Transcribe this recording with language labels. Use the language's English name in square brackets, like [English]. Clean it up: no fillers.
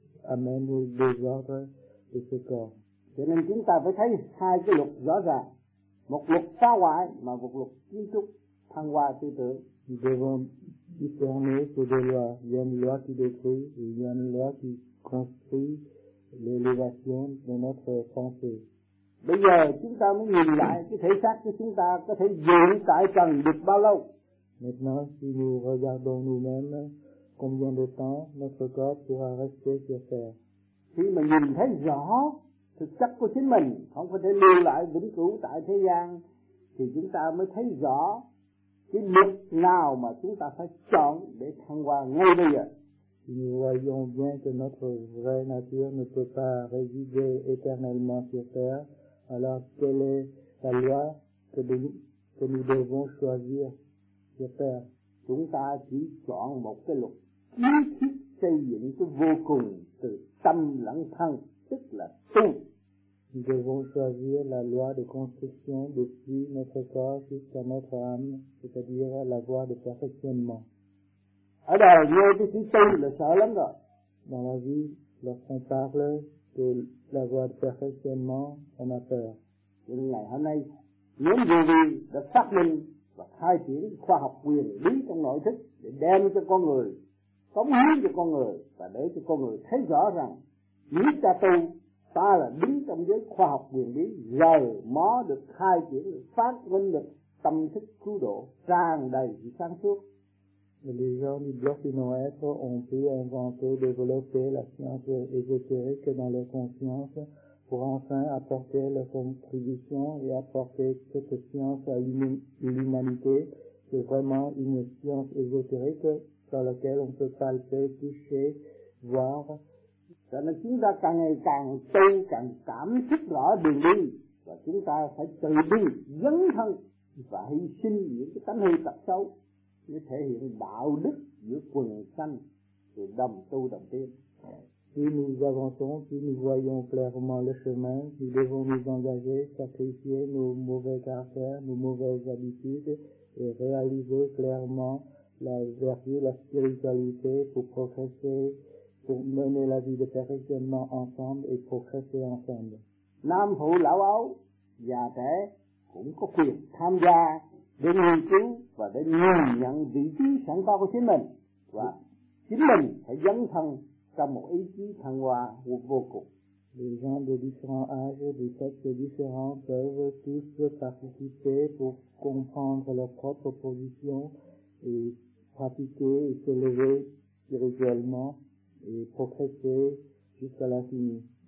[French] Amène le désordre de ce corps. [Vietnamese] Cho nên chúng ta phải thấy hai cái luật rõ ràng. Một luật phá hoại mà một luật kiến trúc thăng hoa tư tưởng. [French] Nous devons discerné ces deux lois. Il y a une loi qui détruit et il y a une loi qui construit l'élévation de notre pensée. [Vietnamese] Bây giờ chúng ta muốn nhìn lại cái thể xác của chúng ta có thể dưỡng tại trần được bao lâu. [French] Maintenant, si nous regardons nous-mêmes, combien de temps notre corps pourra rester sur terre. [Vietnamese] Khi mà nhìn thấy rõ thực chất của chính mình, không có thể lưu lại vĩnh cửu tại thế gian, thì chúng ta mới thấy rõ cái mục nào mà chúng ta phải chọn để thăng hoa ngay bây giờ. [French] Si nous voyons bien que notre vraie nature ne peut pas résider éternellement sur terre, alors quelle est la loi que nous devons choisir sur terre? [Vietnamese] Chúng ta chỉ chọn một cái luật ý thức xây dựng cái vô cùng từ tâm lẫn thân, tức là tu. [French] Nous devons choisir la loi de construction depuis notre corps jusqu'à notre âme, c'est-à-dire la voie de perfectionnement. [Vietnamese] Ở đời nghe cái chữ tu là sợ lắm rồi. [French] Dans la vie, lorsqu'on parle de la voie de perfectionnement, on a peur. [Vietnamese] Nhưng ngày hôm nay, những vị vị đã phát minh và khai triển khoa học quyền lý trong nội thức để đem cho con người, cống hiến cho con người và để cho con người thấy rõ rằng nếu ta tu, ta là đứng trong giới khoa học quyền lý, rời mó được khai triển, được phát minh được tâm thức cứu độ tràn đầy sự sáng suốt. [French] Les gens du bloc du non-être ont pu inventer, développer la science ésotérique dans leur conscience pour enfin apporter leur contribution et apporter cette science à l'humanité. C'est vraiment une science ésotérique dans laquelle on peut palper, toucher, voir. [Vietnamese] Cho nên chúng ta càng ngày càng tu, càng cảm thức rõ đường đi và chúng ta phải từ bi, dấn thân và hy sinh những cái tánh hư tật xấu. Nó thể hiện đạo đức giữa quần sanh từ đồng tu đồng tiên. [French] Si nous avançons, si nous voyons clairement le chemin, nous devons nous engager, sacrifier nos mauvais caractères, nos mauvaises habitudes et réaliser clairement la vertu, la spiritualité pour progresser, pour mener la vie de perfectionnement ensemble et progresser ensemble. [Vietnamese] Nam phụ lão ấu, già trẻ cũng có quyền tham gia để nghiên cứu và để nhìn nhận vị trí sẵn có của chính mình và chính mình phải dấn thân trong một ý chí thăng hoa vô cùng. [French] Les gens de différents âges, de sexes différents peuvent tous participer pour comprendre leur propre position et pratiquer et se lever spirituellement et progresser jusqu'à l'infini.